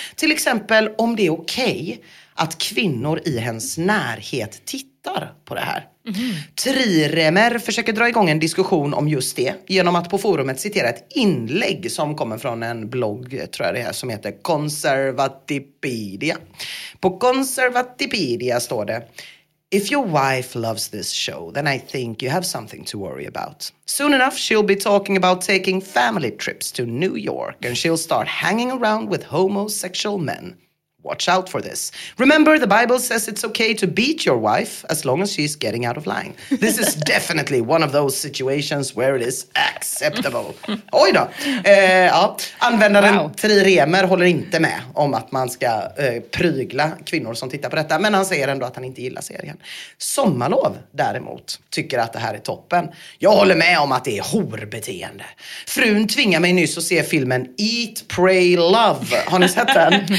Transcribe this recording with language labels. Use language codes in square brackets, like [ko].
[sv] Till exempel om det är okej att kvinnor i hens närhet tittar på det här. Mm. Triremer försöker dra igång en diskussion om just det genom att på forumet citera ett inlägg som kommer från en blogg, tror jag det är, som heter Conservatipedia. På Conservatipedia står det: [en] if your wife loves this show, then I think you have something to worry about. Soon enough, she'll be talking about taking family trips to New York and she'll start hanging around with homosexual men. Watch out for this. Remember, the Bible says it's okay to beat your wife as long as she's getting out of line. This is definitely one of those situations where it is acceptable. [sv] Oj då. Användaren Triremer håller inte med om att man ska prygla kvinnor som tittar på detta. Men han säger ändå att han inte gillar serien. Sommarlov, däremot, tycker att det här är toppen. Jag håller med om att det är horbeteende. Frun tvingar mig nyss att se filmen Eat, Pray, Love. Har ni sett den?